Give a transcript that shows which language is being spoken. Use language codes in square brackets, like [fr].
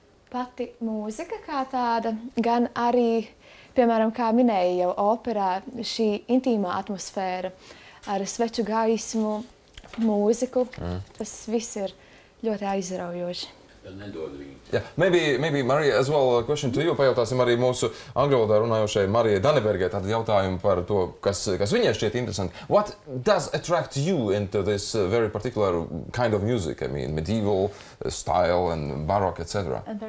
[lv] Pati mūzika kā tāda, gan arī, piemēram, kā minēja jau operā, šī intīmā atmosfēra ar sveču gaismu, mūziku, tas viss ir ļoti aizraujoši. [en] Yeah. Maybe Marie, as well, question to you. [lv] Pajautāsim arī mūsu angļu valodā runājošai Marijai Danebergai tādu jautājumu par to, kas viņai šķiet interesanti. [en] What does attract you into this very particular kind of music? I mean, medieval style and baroque, etc.